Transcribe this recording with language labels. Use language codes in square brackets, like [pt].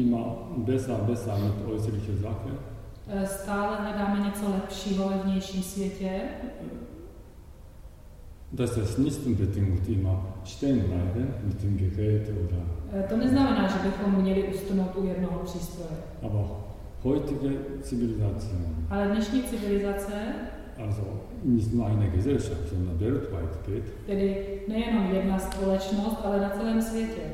[de] Immer besser mit äußerlicher Sache. [cs] Stále hledáme něco lepšího ve vnějším světě. [de] Das ist nicht unbedingt immer stehen bleiben mit dem Gerät oder... [cs] To neznamená, že bychom měli ustnout u jednoho přístroje. [de] Aber heutige Zivilisation. [cs] Ale dnešní civilizace. [de] Also nicht nur eine Gesellschaft, sondern weltweit geht. [cs] Tedy nejenom jedna společnost, ale na celém světě.